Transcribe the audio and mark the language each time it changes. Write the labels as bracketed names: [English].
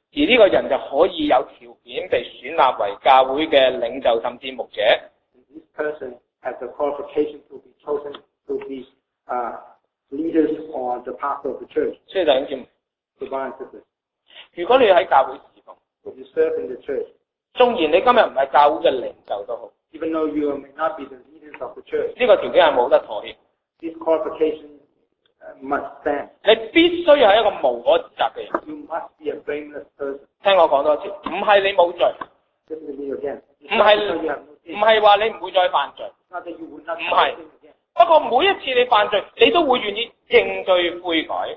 [Chinese] 而这个人就可以有条件被选立为教会的领袖甚至牧者。 [English] This person has the qualification to be chosen to be leaders or the pastor of the church. [Chinese] 谢谢弟兄 [English] 姊妹。Good morning. [Chinese] 如果你在教会侍奉， [English] if you serve in the church, [Chinese] 纵然你今天不是教会的领袖都好， [English] even though you may not be the leaders of the church, [Chinese] 这个条件是没得妥协。 [English] This qualification must stand. [Chinese] 你必须是一个无可指责的人。 [English] You must be a blameless person. [Chinese] 听我讲多一次，不是你没罪。 [English] Listen to me again. [Chinese] 不是说你不会再犯罪。不过每一次你犯罪，你都会愿意认罪悔改。